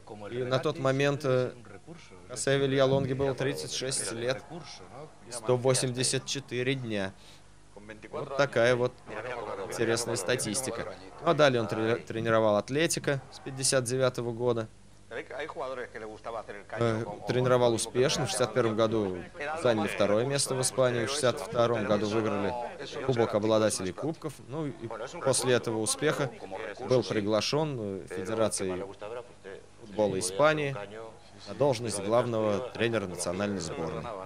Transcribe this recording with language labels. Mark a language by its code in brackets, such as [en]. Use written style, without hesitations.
[ru] И на тот момент Хосе Вильялонге было 36 лет, 184 дня. Вот такая вот интересная статистика. Ну, а далее он тренировал Атлетико с 59 года. [es] Hay jugadores que le gustaba hacer el callo. [ru] Тренировал успешно. В 61 году заняли второе место в Испании. В 62 году выиграли Кубок обладателей кубков. Ну и после этого успеха был приглашен Федерацией футбола Испании на должность главного тренера национальной сборной.